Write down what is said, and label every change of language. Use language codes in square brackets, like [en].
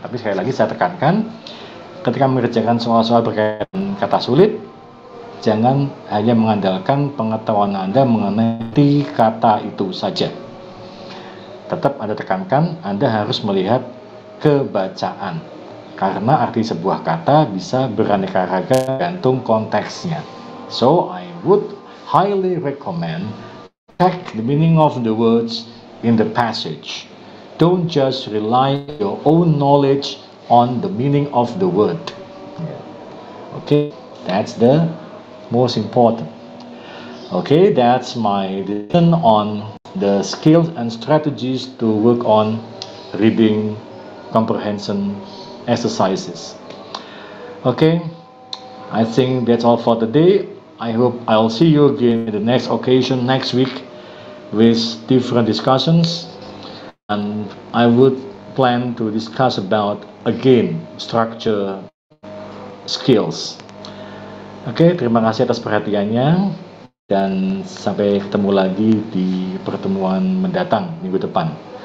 [id] Tapi sekali lagi saya tekankan, ketika mengerjakan soal-soal berkaitan kata sulit, jangan hanya mengandalkan pengetahuan Anda mengenai kata itu saja. Tetap Anda tekankan, Anda harus melihat kebacaan. Karena arti sebuah kata bisa beraneka ragam tergantung konteksnya. [en] So, I would highly recommend check the meaning of the words in the passage. Don't just rely your own knowledge on the meaning of the word. Okay, that's the most important. Okay, that's my decision on the skills and strategies to work on reading comprehension exercises. Okay, I think that's all for today. I hope I'll see you again in the next occasion next week with different discussions, and I would plan to discuss about again structure skills. [id] Okay, terima kasih atas perhatiannya dan sampai ketemu lagi di pertemuan mendatang minggu depan.